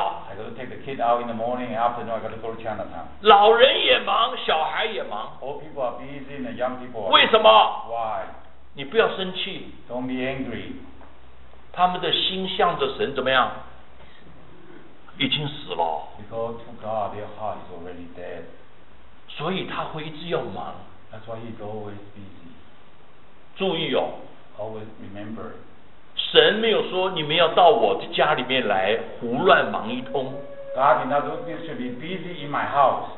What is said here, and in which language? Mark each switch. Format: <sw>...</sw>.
<en>I gotta take the kid out in the morning, afternoon I gotta go to Chinatown.</en> <zh>老人也忙，小孩也忙。</zh> <en>Old people are busy and young people are.</en> <zh>为什么</zh> <en>？Why？</en> <zh>你不要生气。</zh> <en>Don't be angry.</en> <zh>他们的心向着神怎么样？已经死了。</zh> <en>Because to God their heart is already dead.</en> <zh>所以他会一直要忙。</zh> <en>That's why he's always busy.</en> <zh>注意哦。</zh> <en>Always remember.</en> <zh>神没有说你们要到我的家里面来胡乱忙一通。</zh> <en>God did not say you should be busy in my house.</en>